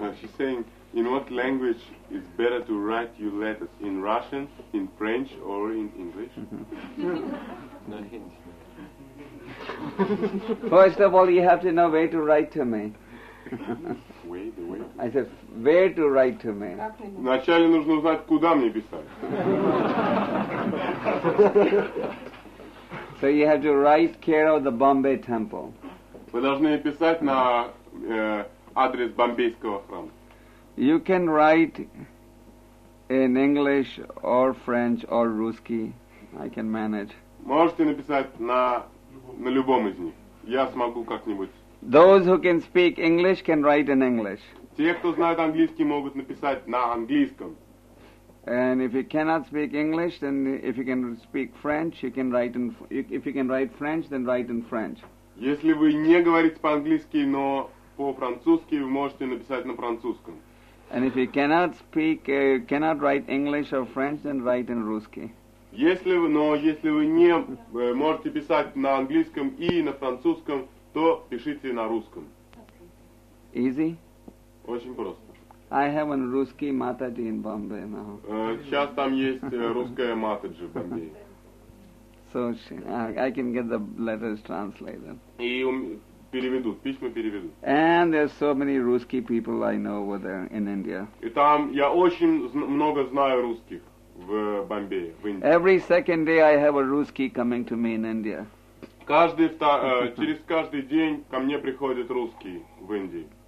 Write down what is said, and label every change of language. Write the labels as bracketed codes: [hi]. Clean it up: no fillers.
[en] She's saying, in what language is better to write your letters? In Russian, in French, or in English? First of all, you have to know where to write to me. Where? I said, where to write to me? [ru] Вначале нужно узнать, куда мне писать. [en] So you have to write care of the Bombay temple. [ru] Вы должны писать на адрес бомбейского храма. [en] You can write in English or French or Russian. I can manage. [ru] Можете написать на любом из них. Я смогу как-нибудь. [en] Those who can speak English can write in English. [ru] Те, кто знает английский, могут написать на английском. [en] And if you cannot speak English, then if you can speak French, you can write in. If you can write French, then write in French. [ru] Если вы не говорите по-английски, но по-французски, вы можете написать на французском. [en] And if you cannot speak, cannot write English or French, then write in Russian. [ru] Если вы не можете писать на английском и на французском, то пишите на русском. [en] Easy? [ru] Очень просто. [en] I have a Ruski Mataji in Bombay now. [ru] Сейчас там есть русская Mataji в Бомбее. [en] So I can get the letters translated. [ru] И переведут, письма переведут. [en] And there's so many Ruski people I know over there in India. [ru] И там я очень много знаю русских в Бомбее, в Индии. [en] Every second day I have a Ruski coming to me in India. [ru] Через каждый день ко мне приходят русские в Индии.